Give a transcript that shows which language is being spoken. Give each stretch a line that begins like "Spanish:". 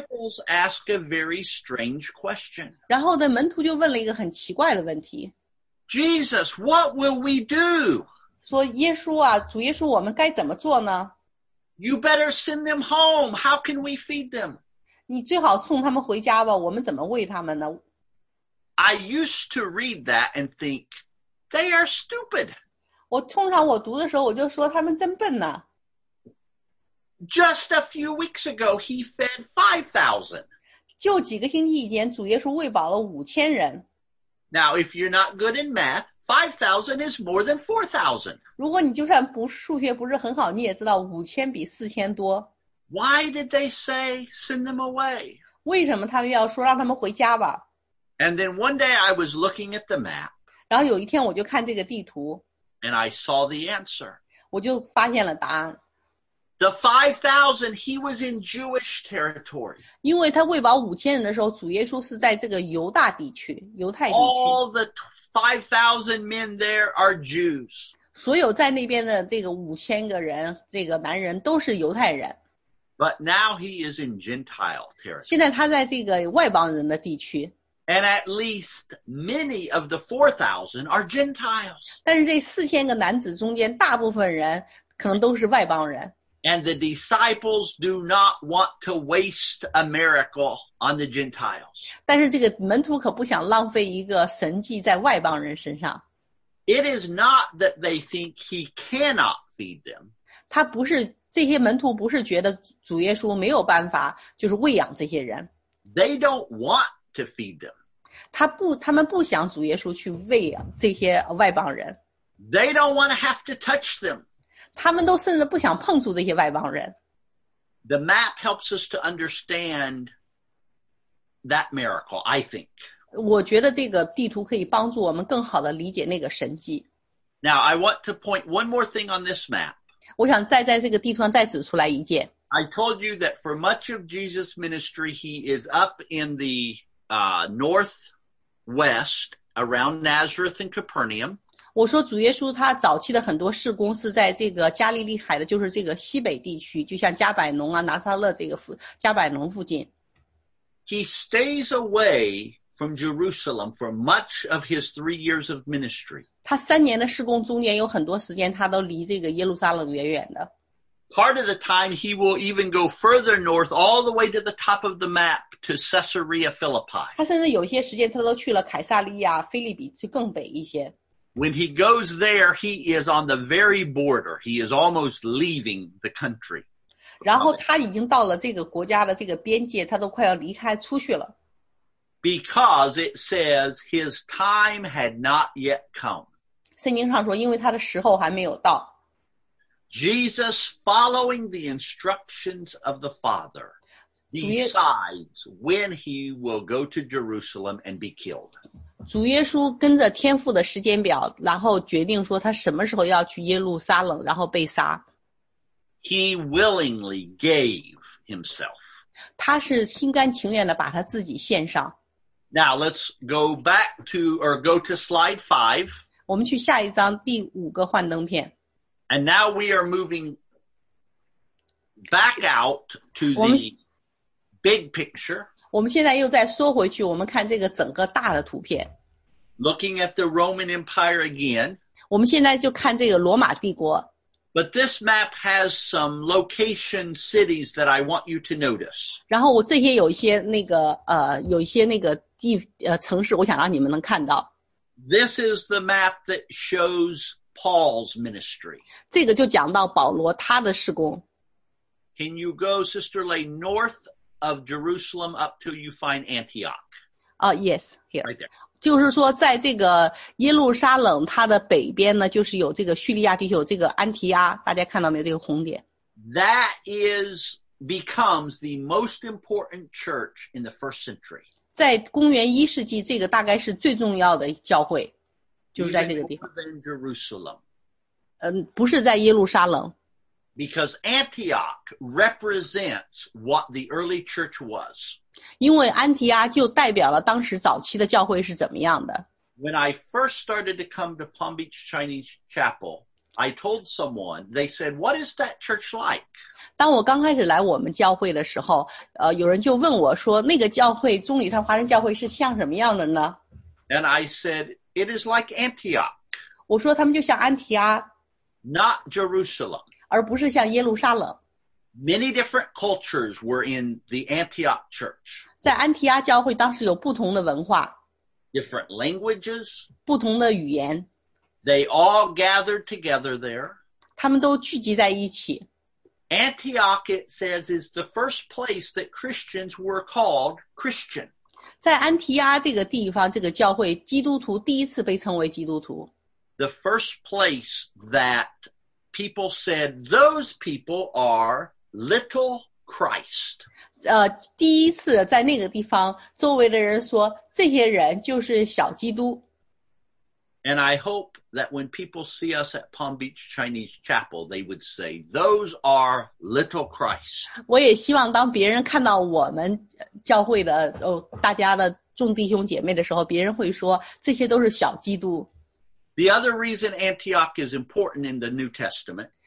English: And the disciples ask a very strange question.
Chinese: 然后呢，门徒就问了一个很奇怪的问题。
English: Jesus, what will we do?
Chinese: 说耶稣啊，主耶稣，我们该怎么做呢？
English: You better send them home. How can we feed them?
Chinese: 你最好送他们回家吧，我们怎么喂他们呢？
English: I used to read that and think, they are stupid.
Chinese: 我通常我读的时候我就说他们真笨呢。
English: Just a few weeks ago, he fed 5,000.
Chinese: 就几个星期以前，主耶稣喂饱了五千人。
English: Now, if you're not good in math, 5,000 is more than 4,000.
Chinese: 如果你就算不数学不是很好，你也知道五千比四千多。
English: Why did they say send them away?
Chinese: 为什么他们要说让他们回家吧？
English: And then one day I was looking at the map.
Chinese: 然后有一天我就看这个地图。
English: And I saw the answer.
Chinese: 我就发现了答案。
English: The 5,000, he was in Jewish territory.
Chinese: 因为他喂饱五千人的时候，主耶稣是在这个犹大地区，犹太地区。
English: All the 5,000 men there are Jews.
Chinese: 所有在那边的这个五千个人，这个男人都是犹太人。
English: But now he is in Gentile territory.
Chinese: 现在他在这个外邦人的地区。
English: And at least many of the 4,000 are Gentiles.
Chinese: 但是这四千个男子中间，大部分人可能都是外邦人。
English: And the disciples do not want to waste a miracle on the Gentiles.
Chinese: 但是这个门徒可不想浪费一个神迹在外邦人身上。
English: It is not that they think he cannot feed them.
Chinese: 他不是，这些门徒不是觉得主耶稣没有办法就是喂养这些人。
English: They don't want to feed them.
Chinese: 他们不想主耶稣去喂养这些外邦人。
English: They don't want to have to touch them.
Chinese: 他们都甚至不想碰触这些外邦人。
English: The map helps us to understand that miracle, I think.
Chinese: 我觉得这个地图可以帮助我们更好地理解那个神迹。
English: Now, I want to point one more thing on this map.
Chinese: 我想再在这个地图上再指出来一件。
English: I told you that for much of Jesus' ministry, he is up in the northwest around Nazareth and Capernaum.
Chinese: 我说主耶稣他早期的很多事工是在这个加利利海的，就是这个西北地区，就像加百农啊、拿撒勒这个加百农附近。
English: He stays away from Jerusalem for much of his 3 years of ministry.
Chinese: 他三年的事工中间有很多时间他都离这个耶路撒冷远远的。
English: Part of the time he will even go further north all the way to the top of the map to Caesarea Philippi.
Chinese: 他甚至有些时间他都去了凯撒利亚、菲利比，去更北一些。
English: When he goes there, he is on the very border. He is almost leaving the country.
Chinese: 然后他已经到了这个国家的这个边界，他都快要离开出去了。
English: Because it says his time had not yet come.
Chinese: 圣经上说，因为他的时候还没有到。
English: Jesus, following the instructions of the Father, decides when he will go to Jerusalem and be killed.
Chinese: 主耶稣跟着天父的时间表，然后决定说他什么时候要去耶路撒冷，然后被杀。
English: He willingly gave himself.
Chinese: 他是心甘情愿的把他自己献上。
English: Now let's go back to, or go to slide 5.
Chinese: 我们去下一张第五个幻灯片。
English: And now we are moving back out to the big picture.
Chinese: 我们现在又再缩回去，我们看这个整个大的图片。
English: Looking at the Roman Empire again.
Chinese: 我们现在就看这个罗马帝国。
English: But this map has some location cities that I want you to notice.
Chinese: 然后我这些有一些那个有一些那个地城市，我想让你们能看到。
English: This is the map that shows Paul's ministry.
Chinese: 这个就讲到保罗他的事工。
English: Can you go, Sister Lay, north? Of Jerusalem up till you find Antioch. Yes, here. Right there.
Chinese: 就是说在这个耶路撒冷它的北边呢，就是有这个叙利亚地区，有这个安提阿，大家看到没有这个红点。
English: That is, becomes the most important church in the first century.
Chinese: 在公元一世纪，这个大概是最重要的教会，就是在这个地方。
English: Even more than Jerusalem.
Chinese: 不是在耶路撒冷。
English: Because Antioch represents what the early church was.
Chinese: 因为安提阿就代表了当时早期的教会是怎么样的。
English: When I first started to come to Palm Beach Chinese Chapel, I told someone, they said, what is that church like?
Chinese: 当我刚开始来我们教会的时候，有人就问我说，那个教会，中理堂华人教会是像什么样的呢？
English: And I said, it is like Antioch.
Chinese: 我说他们就像安提阿。
English: Not Jerusalem.
Chinese: 而不是像耶路撒冷。
English: Many different cultures were in the Antioch church.
Chinese: 在安提阿教会当时有不同的文化。
English: Different languages.
Chinese: 不同的语言。
English: They all gathered together there.
Chinese: 他们都聚集在一起。
English: Antioch, it says, is the first place that Christians were called Christian.
Chinese: 在安提阿这个地方，这个教会，基督徒第一次被称为基督徒。
English: The first place that... People said, those people are little Christ.
Chinese: 第一次在那个地方，周围的人说，这些人就是小基督。
English: And I hope that when people see us at Palm Beach Chinese Chapel, they would say, those are little Christ.
Chinese: 我也希望当别人看到我们教会的，大家的众弟兄姐妹的时候，别人会说，这些都是小基督。
English: The other reason Antioch is important in the New Testament.